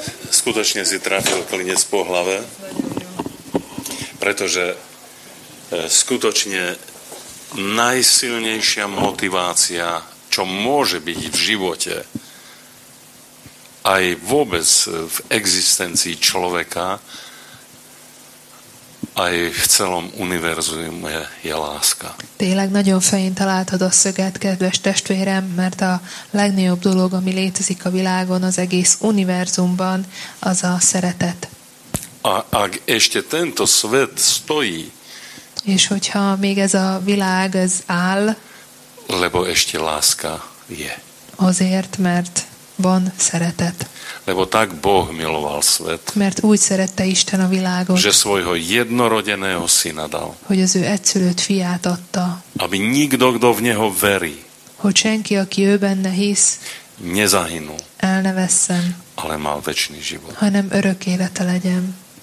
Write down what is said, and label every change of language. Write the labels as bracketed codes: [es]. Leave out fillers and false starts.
[sk] Skutočne si trafil klinec po hlave, pretože skutočne najsilnejšia motivácia, čo môže byť v živote aj vôbec v existencii človeka aj v celom univerzum je láska. [hu] Tényleg nagyon fején találtad a szöget, kedves testvérem, mert a legnagyobb dolog, ami létezik a világon, az egész univerzumban, az a szeretet. [sk] A ak ešte tento svet stojí, [hu] és hogyha még ez a világ, ez áll, [sk] lebo ešte láska je. [hu] Azért, mert van szeretet. [sk] Lebo tak Boh miloval svet, [hu] mert úgy szerette Isten a világot, [sk] že svojho jednorodeného syna dal, [hu] hogy az ő egyszülött fiát adta, [sk] aby nikto, kto v neho verí, [hu] hogy senki, aki ő benne hisz, [sk] nezahynul, [hu] el ne vesszen, [sk] ale mal večný život, [hu] hanem örök élete legyen.